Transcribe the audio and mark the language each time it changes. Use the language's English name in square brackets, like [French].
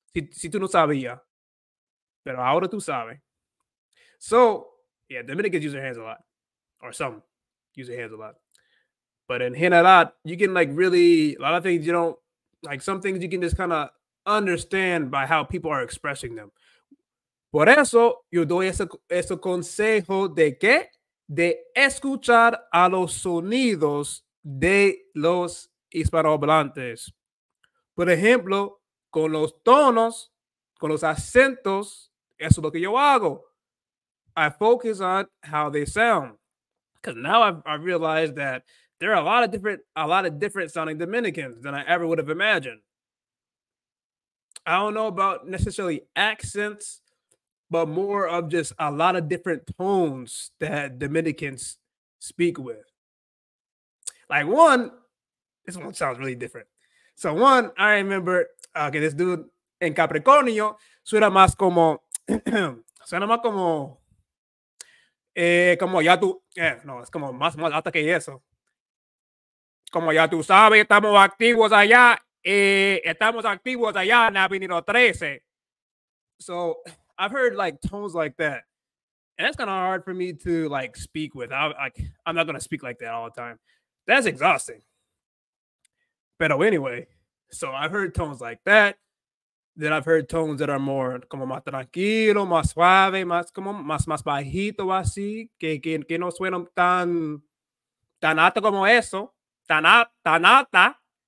[Spanish] Si tú no sabías, pero ahora tú sabes. [English] So, yeah, Dominicans use their hands a lot, or some use their hands a lot. But in general, you can like really, a lot of things you don't, like some things you can just kind of understand by how people are expressing them. [Spanish] Por eso, yo doy ese consejo de que de escuchar a los sonidos de los hispanohablantes. Por ejemplo, con los tonos, con los acentos, eso es lo que yo hago. [English] I focus on how they sound. Because now I've realized that there are a lot of different sounding Dominicans than I ever would have imagined. I don't know about necessarily accents, but more of just a lot of different tones that Dominicans speak with. Like one, this one sounds really different. So one, I remember, okay, this dude in Capricornio [Spanish] suena más como, como ya tú, no, es como más alta que eso. Como ya tú sabes, estamos activos allá en Avenida 13. [English] So I've heard like tones like that, and that's kind of hard for me to like speak with. I'm not going to speak like that all the time. That's exhausting. But anyway, so I've heard tones like that. Then I've heard tones that are more [Spanish] como más tranquilo, más suave, más como más bajito así, que no suena tan alto como eso, tan alta.